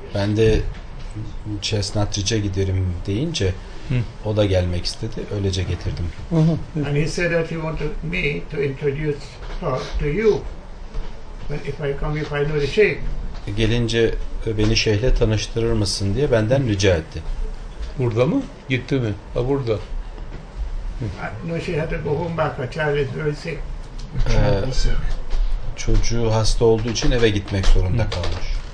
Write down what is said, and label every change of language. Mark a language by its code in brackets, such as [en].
[tr] Ben de Chestnutridge'e giderim deyince o da gelmek istedi. Öylece getirdim. [en] And he said that he wanted me to introduce her to you. If I come, if I know the Sheikh. [tr] Gelince beni Şeyh'le tanıştırır mısın diye benden rica etti. Burada mı? Gitti mi? Ha burada. [en] No, she had to go home back. Her child is very sick. [tr] Çocuğu hasta olduğu için eve gitmek zorunda kalmış.